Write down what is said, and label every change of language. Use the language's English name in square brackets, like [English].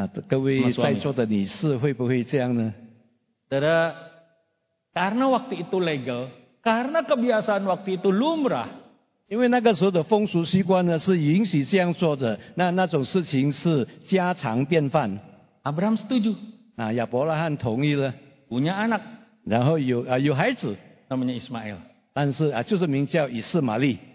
[Chinese] 各位在座的女士会不会这样呢? [Indonesian] Karena waktu itu legal, karena kebiasaan waktu itu lumrah. [Chinese] 因为那个时候的风俗习惯呢是允许这样做的, 那种事情是家常便饭。 [Indonesian] Abraham setuju. [Chinese] 亚伯拉罕同意了。 [Indonesian] Punya anak. [Chinese] 然后有孩子。 [Indonesian] Namanya Ismail. [Chinese] 但是就是名叫以斯玛利。